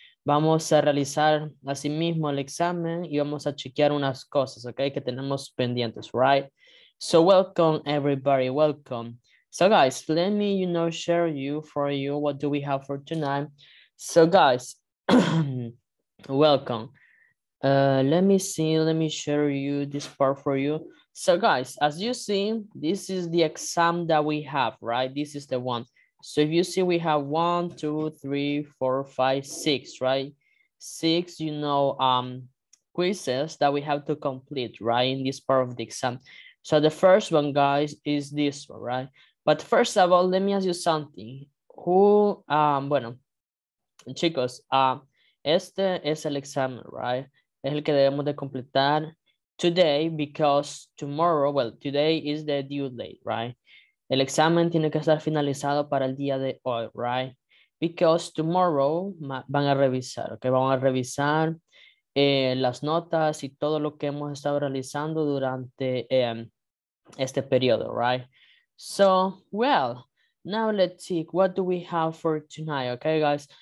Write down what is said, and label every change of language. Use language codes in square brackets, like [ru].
[es] Vamos a realizar asimismo el examen y vamos a chequear unas cosas, okay, que tenemos pendientes, [en] right? So welcome everybody, welcome. So guys, let me, you know, share you for you what do we have for tonight. So guys, welcome. Let me see, let me share you this part for you. So guys, as you see, this is the exam that we have, right? This is the one. So if you see, we have 1, 2, 3, 4, 5, 6, right? 6, you know, quizzes that we have to complete, right? In this part of the exam. So the first one, guys, is this one, right? But first of all, let me ask you something. Who, [es] bueno, chicos, este es el examen, [en] right? [es] Es el que debemos de completar. [en] Today, because tomorrow, well, today is the due date, right? [es] El examen tiene que estar finalizado para el día de hoy, [en] right? Because tomorrow [es] van a revisar, okay? Van a revisar las notas y todo lo que hemos estado realizando durante este periodo, [en] right? So, well, now let's see, what do we have for tonight, okay, guys?